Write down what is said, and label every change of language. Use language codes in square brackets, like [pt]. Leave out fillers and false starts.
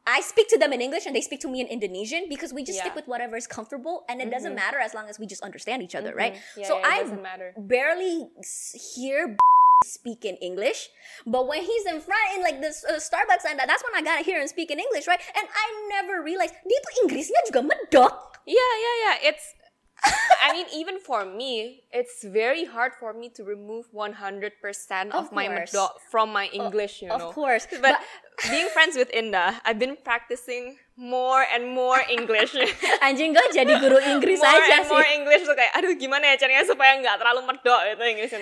[en] I speak to them in English and they speak to me in Indonesian because we just stick with whatever is comfortable and it doesn't matter as long as we just understand each other, right? Yeah, so yeah, barely hear speak in English, but when he's in front in like this Starbucks and that's when I gotta hear him speak in English, right? And I never realized [id] dito Inggrisnya juga medok. [en] Yeah. It's I mean, even for me, it's very hard for me to remove 100% of my medok from my English, you know. Of course. But being friends with Inda, I've been practicing more and more English. [id] Anjing, gue jadi guru Inggris aja sih. [en] More and more English. [id] So kayak, aduh gimana ya caranya supaya gak terlalu medok itu Inggrisnya.